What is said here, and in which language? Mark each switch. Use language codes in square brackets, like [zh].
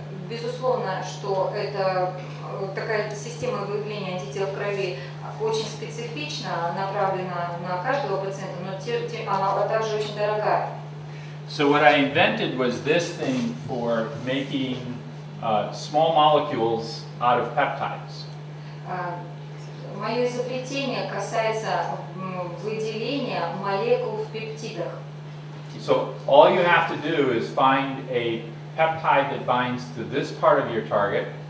[ru] Безусловно, что это такая система выявления антител в крови очень специфична, направлена на каждого пациента, но она также очень дорогая. [en] So what I invented was this thing for making small molecules out of peptides. [ru] Мое изобретение касается выделения молекул в пептидах. [en] So all you have to do is find a peptide that binds to this part of your target.